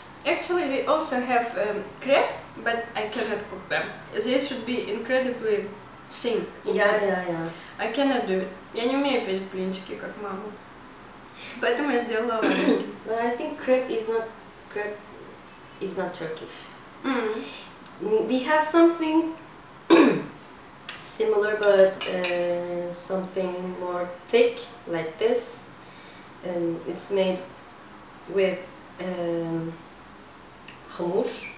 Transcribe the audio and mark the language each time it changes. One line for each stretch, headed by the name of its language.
English: Actually, we also have crepe, but I cannot cook them. This should be incredibly thin. Yeah. I cannot do it.
Russian: Я не умею печь блинчики, как мама. Поэтому я сделала оладушки.
English: But I think crepe is not Turkish. We have something similar, but something more thick, like this. It's made with hummus.